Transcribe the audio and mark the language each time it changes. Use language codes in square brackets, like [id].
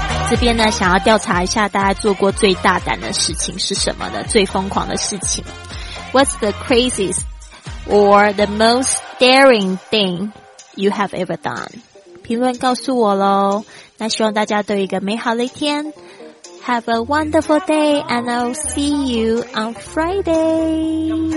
[zh] 这边呢想要调查一下大家做过最大胆的事情是什么呢？最疯狂的事情。 [en] What's the craziest or the most daring thing you have ever done? [zh] 评论告诉我咯。那希望大家都有一个美好的一天。 [en] Have a wonderful day and I'll see you on Friday.